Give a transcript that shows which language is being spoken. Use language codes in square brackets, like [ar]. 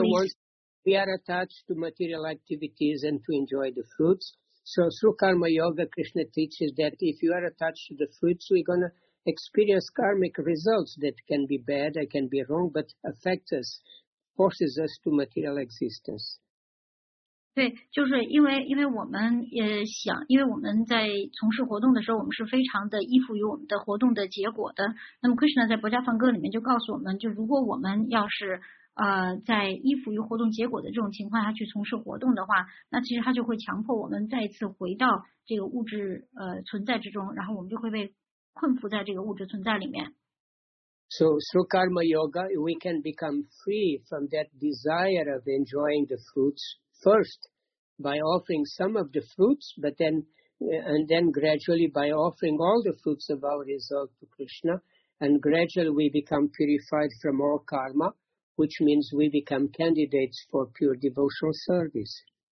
[en] wants we are attached to material activities and to enjoy the fruits. So through Karma Yoga, Krishna teaches that if you are attached to the fruits, we're gonna. Experience karmic results that can be bad, or can be wrong, but affect us, forces us to material existence. [zh] 对，就是因为我们想，因为我们在从事活动的时候，我们是非常的依附于我们的活动的结果的。那么 Krishna 在《薄伽梵歌》里面就告诉我们，就如果我们要是在依附于活动结果的这种情况下去从事活动的话，那其实它就会强迫我们再一次回到这个物质存在之中，然后我们就会被。困缚在这个物质存在里面。 [en] So through karma yoga, we can become free from that desire of enjoying the fruits first by offering some of the fruits, but then and then gradually by offering all the fruits of our result to Krishna, and gradually we become purified from all karma, which means we become candidates for pure devotional service.